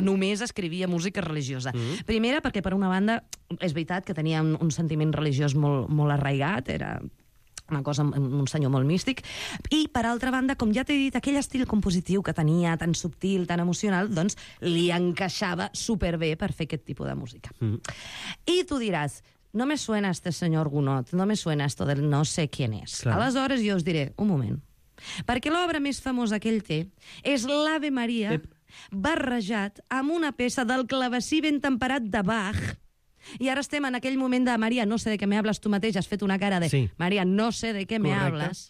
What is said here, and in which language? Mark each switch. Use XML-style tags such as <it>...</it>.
<ca>Només escrivia música religiosa. Mm-hmm. Primera, perquè per una banda és veritat que tenia un sentiment religiós molt, molt arraigat, era una cosa, un senyor molt místic, i per altra banda, com ja t'he dit, aquell estil compositiu que tenia, tan subtil, tan emocional, doncs li encaixava superbé per fer aquest tipus de música.</ca> <es>Mm-hmm.</es> <ca>I tu diràs,</ca> <es>no me suena este señor Gounod, no me suena esto del no sé quién es.</es> <ca>Clar. Aleshores jo us diré, un moment, perquè l'obra més famosa que ell té és l'Ave Maria barrejat amb una peça del clavecí ben temperat de Bach. I ara estem en aquell moment de Maria, no sé de què</ca> <es>me hables</es> <ca>tu mateix, has fet una cara de sí. Maria, no sé de què Correcte.</ca> <es>Me hables.</es>